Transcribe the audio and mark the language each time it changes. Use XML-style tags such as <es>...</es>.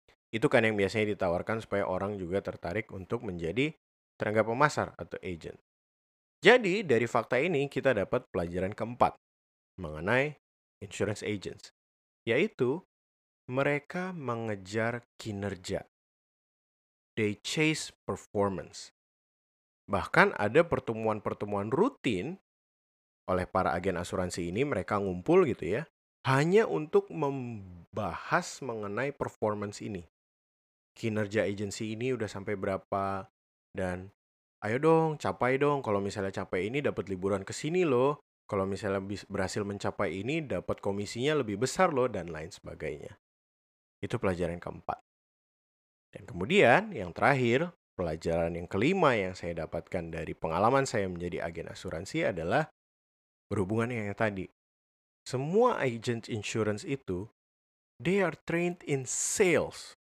<id>Itu kan yang biasanya ditawarkan supaya orang juga tertarik untuk menjadi tenaga pemasar atau agent. Jadi, dari fakta ini kita dapat pelajaran keempat mengenai insurance agents, yaitu mereka mengejar kinerja.</id> <en>They chase performance.</en> <id>Bahkan ada pertemuan-pertemuan rutin oleh para agen asuransi ini, mereka ngumpul gitu ya, hanya untuk membahas mengenai performance ini. Kinerja agensi ini udah sampai berapa, dan ayo dong, capai dong, kalau misalnya capai ini dapat liburan ke sini loh, kalau misalnya berhasil mencapai ini dapat komisinya lebih besar loh, dan lain sebagainya. Itu pelajaran keempat. Dan kemudian yang terakhir, pelajaran yang kelima yang saya dapatkan dari pengalaman saya menjadi agen asuransi adalah berhubungan dengan yang tadi. Semua agent insurance itu,</id> <en>they are trained in sales.</en>